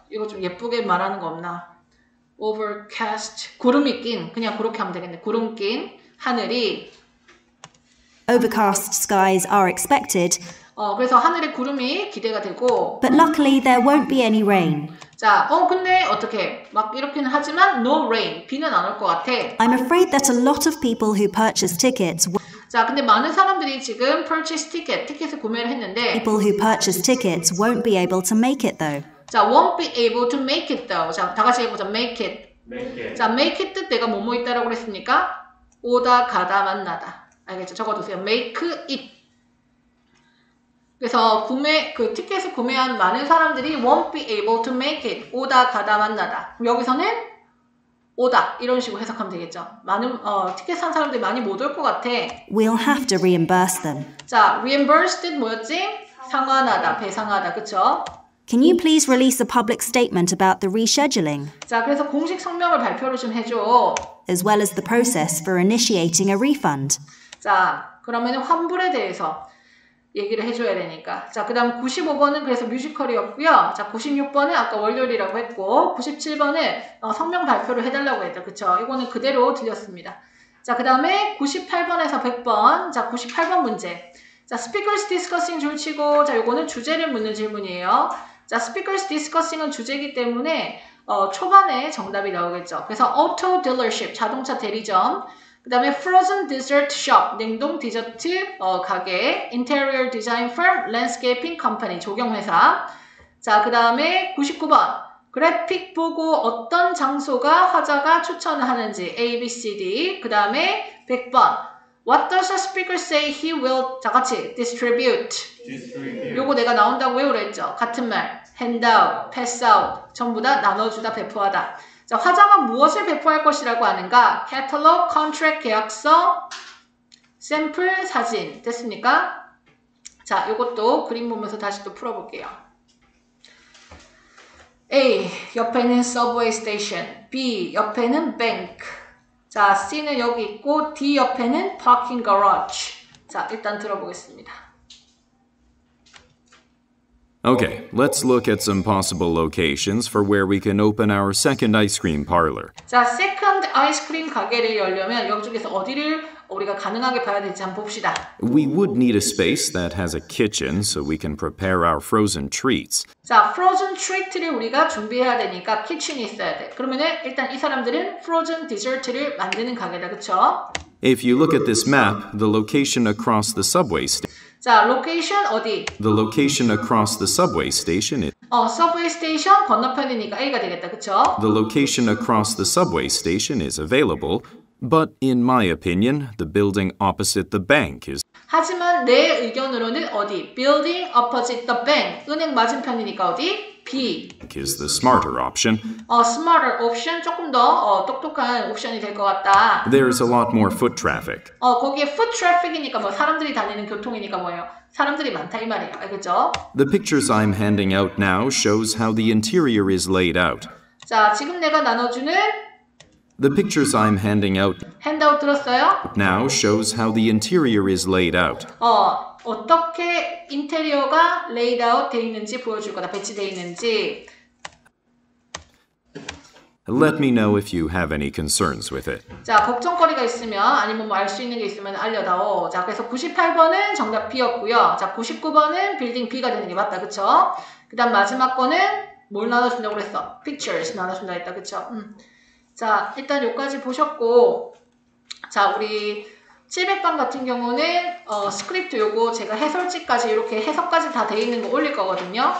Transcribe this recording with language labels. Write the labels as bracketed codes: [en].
[ko] 이거 좀 예쁘게 말하는 거 없나? Overcast. 구름이 낀. 그냥 그렇게 하면 되겠네. 구름 낀 하늘이. [en] Overcast skies are expected. [ko] 그래서 하늘에 구름이 기대가 되고. [en] But luckily there won't be any rain. [ko] 자, 근데 어떻게 막 이렇게는 하지만 no rain 비는 안 올 것 같아. [en] I'm afraid that a lot of people who purchase tickets. [ko] 자, 근데 많은 사람들이 지금 purchase ticket 티켓을 구매를 했는데. [en] People who purchase tickets won't be able to make it though. 자, won't be able to make it though. [ko] 자, 다 같이 해보자. Make it. [en] Make it. [ko] 자, make it 내가 뭐뭐 있다라고 그랬습니까? 오다 가다 만나다. 알겠죠? 적어두세요. Make it. 그래서 구매 그 티켓을 구매한 많은 사람들이 [en] won't be able to make it. [ko] 오다 가다 만나다. 여기서는 오다 이런 식으로 해석하면 되겠죠. 많은 티켓 산 사람들이 많이 못 올 것 같아. [en] We'll have to reimburse them. [ko] 자, reimbursed 뭐였지? 상환하다, 배상하다, 그쵸? [en] Can you please release a public statement about the rescheduling? [ko] 자, 그래서 공식 성명을 발표를 좀 해줘. [en] As well as the process for initiating a refund. [ko] 자, 그러면 환불에 대해서 얘기를 해줘야 되니까. 자, 그 다음 95번은 그래서 뮤지컬이었고요. 자, 96번은 아까 월요일이라고 했고, 97번은 성명 발표를 해달라고 했죠. 그쵸? 이거는 그대로 들렸습니다. 자, 그 다음에 98번에서 100번. 자, 98번 문제. 자, speakers discussing 줄 치고, 자, 요거는 주제를 묻는 질문이에요. 자, speakers discussing은 주제이기 때문에, 초반에 정답이 나오겠죠. 그래서 auto dealership, 자동차 대리점. 그 다음에 frozen dessert shop, 냉동 디저트, 가게. interior design firm, landscaping company, 조경회사. 자, 그 다음에 99번. 그래픽 보고 어떤 장소가 화자가 추천하는지. A, B, C, D. 그 다음에 100번. [en] What does a speaker say he will, [ko] 자, 같이, [en] distribute. distribute. [ko] 요거 내가 나온다고 외우라 했죠. 같은 말. hand out, pass out. 전부 다 나눠주다, 배포하다. 자, 화자가 무엇을 배포할 것이라고 하는가? catalog, contract, 계약서, sample, 사진. 됐습니까? 자, 요것도 그림 보면서 다시 또 풀어볼게요. [en] A. 옆에는 subway station. [ko] B. 옆에는 bank. 자, C는 여기 있고, D 옆에는 parking garage. 자, 일단 들어보겠습니다. [en] Okay, let's look at some possible locations for where we can open our second ice cream parlor. [ko] 자, second ice cream 가게를 열려면 여기 중에서 어디를 우리가 가능하게 봐야 될지 한번 봅시다. [en] We would need a space that has a kitchen so we can prepare our frozen treats. [ko] 자, frozen treat를 우리가 준비해야 되니까 kitchen이 있어야 돼. 그러면은 일단 이 사람들은 frozen dessert를 만드는 가게다, 그쵸? [en] If you look at this map, the location across the subway station. [ko] 자, location 어디? [en] The location across the subway station is. [ko] subway station 건너편이니까 A가 되겠다, 그쵸? [en] The location across the subway station is available. But in my opinion, the building opposite the bank is. [ko] 하지만 내 의견으로는 어디? [en] Building opposite the bank. [ko] 은행 맞은편이니까 어디? [en] B. Is the smarter option. Smarter option. [ko] 조금 더 똑똑한 옵션이 될 것 같다. [en] There's a lot more foot traffic. [ko] 거기에 foot traffic이니까 뭐 사람들이 다니는 교통이니까 뭐예요? 사람들이 많다 이 말이에요. 알겠죠? [en] The pictures I'm handing out now shows how the interior is laid out. [ko] 자, 지금 내가 나눠주는 [en] The pictures I'm handing out. [ko] Hand out 들었어요? [en] Now shows how the interior is laid out. [ko] 어떻게 인테리어가 laid out 돼 있는지 보여줄 거다. 배치돼 있는지. [en] Let me know if you have any concerns with it. [ko] 자, 걱정거리가 있으면 아니면 뭐 알 수 있는 게 있으면 알려다오. 자, 그래서 98번은 정답 B였고요. 자, 99번은 빌딩 B가 되는 게 맞다. 그쵸? 그 다음 마지막 거는 뭘 나눠준다고 그랬어? Pictures 나눠준다 했다. 그쵸? 자, 일단 여기까지 보셨고, 자, 우리 700번 같은 경우는 스크립트 요거 제가 해설지까지 이렇게 해석까지 다 돼 있는 거 올릴 거거든요.